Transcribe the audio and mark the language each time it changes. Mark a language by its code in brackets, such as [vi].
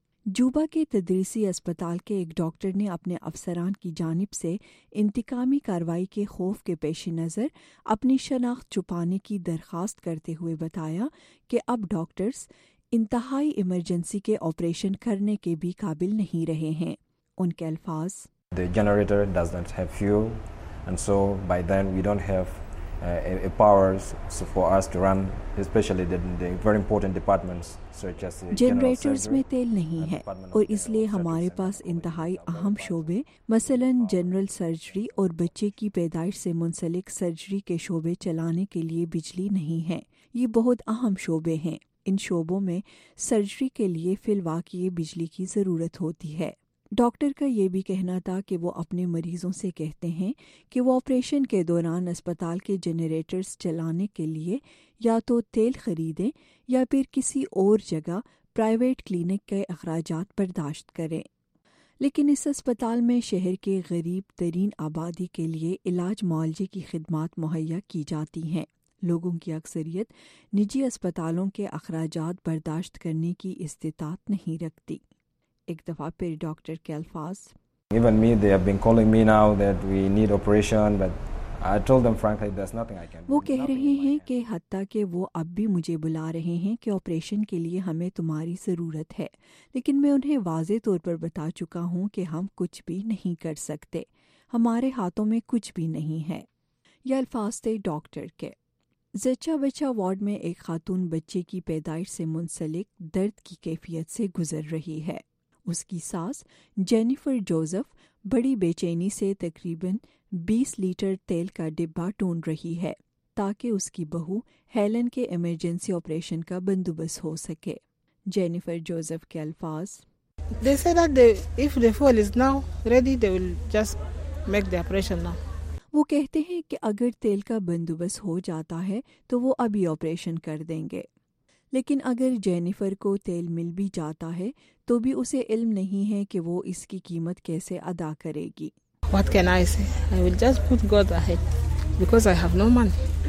[ur] جوبا کے تدریسی اسپتال کے ایک ڈاکٹر نے اپنے افسران کی جانب سے انتقامی کارروائی کے خوف کے پیش نظر اپنی شناخت چھپانے کی درخواست کرتے ہوئے بتایا کہ اب ڈاکٹرز انتہائی ایمرجنسی کے آپریشن کرنے کے بھی قابل نہیں رہے ہیں۔ ان کے الفاظ، [en] The generator does not have fuel and so by then we don't have a powers for us to run especially the very important departments such as the [ur] generators میں تیل نہیں ہے اور اس لیے ہمارے پاس انتہائی اہم شعبے مثلا جنرل سرجری اور بچے کی پیدائش سے منسلک سرجری کے شعبے چلانے کے لیے بجلی نہیں ہے۔ یہ بہت اہم شعبے ہیں، ان شعبوں میں سرجری کے لیے فی الواقع بجلی کی ضرورت ہوتی ہے۔ ڈاکٹر کا یہ بھی کہنا تھا کہ وہ اپنے مریضوں سے کہتے ہیں کہ وہ آپریشن کے دوران اسپتال کے جنریٹرز چلانے کے لیے یا تو تیل خریدیں یا پھر کسی اور جگہ پرائیویٹ کلینک کے اخراجات برداشت کریں۔ لیکن اس اسپتال میں شہر کے غریب ترین آبادی کے لیے علاج معالجے کی خدمات مہیا کی جاتی ہیں۔ لوگوں کی اکثریت نجی اسپتالوں کے اخراجات برداشت کرنے کی استطاعت نہیں رکھتی۔ ایک دفعہ پھر ڈاکٹر کے الفاظ، [en] Even me, they have been calling me now that we need operation, but I told them frankly, there's nothing I can do. [ur] وہ کہہ رہے ہیں کہ حتیٰ کہ وہ اب بھی مجھے بلا رہے ہیں کہ آپریشن کے لیے ہمیں تمہاری ضرورت ہے، لیکن میں انہیں واضح طور پر بتا چکا ہوں کہ ہم کچھ بھی نہیں کر سکتے، ہمارے ہاتھوں میں کچھ بھی نہیں ہے۔ یہ الفاظ تھے ڈاکٹر کے۔ زچا بچہ وارڈ میں ایک خاتون بچے کی پیدائش سے منسلک درد کی کیفیت سے گزر رہی ہے۔ اس کی ساس جینیفر جوزف بڑی بے چینی سے تقریباً 20 لیٹر تیل کا ڈبہ ٹونڈ رہی ہے تاکہ اس کی بہو ہیلن کے ایمرجنسی آپریشن کا بندوبست ہو سکے۔ جینیفر جوزف کے الفاظ، [en] They say that they, if the fuel is now ready, they will just make the operation now. [ur] وہ کہتے ہیں کہ اگر تیل کا بندوبست ہو جاتا ہے تو وہ ابھی آپریشن کر دیں گے، لیکن اگر جینیفر کو تیل مل بھی جاتا ہے تو بھی اسے علم نہیں ہے کہ وہ اس کی قیمت کیسے ادا کرے گی۔ [en] What can I say? I will just put God ahead because I have no money.